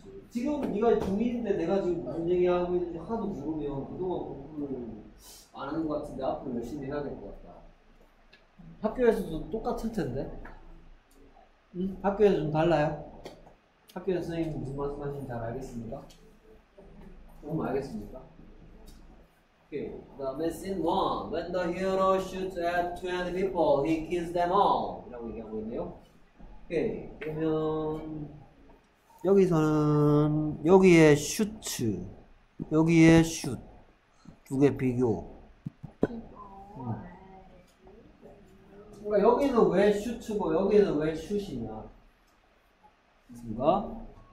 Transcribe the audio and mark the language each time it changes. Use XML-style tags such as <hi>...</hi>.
<ko>지금 네가 중1인데 내가 지금 무슨 얘기하고 있는지 하나도 모르면 그동안 공부를 안 하는 것 같은데 앞으로 열심히 해야 될 것 같다. 학교에서도 똑같을 텐데? 응? 학교에서 좀 달라요? 학교 선생님 무슨 말씀하시는지 잘 알겠습니까? 너무 알겠습니까?</ko> <en>The missing one. When the hero shoots at 20 people, he kills them all.</en> <ko>이라고 얘기하고 있네요. 오케이. 그러면 여기서는 여기에 슈트, 여기에 슛 두 개 비교. 그러니까 여기는 왜 슈트고 여기는 왜 슛이냐? 누가?</ko>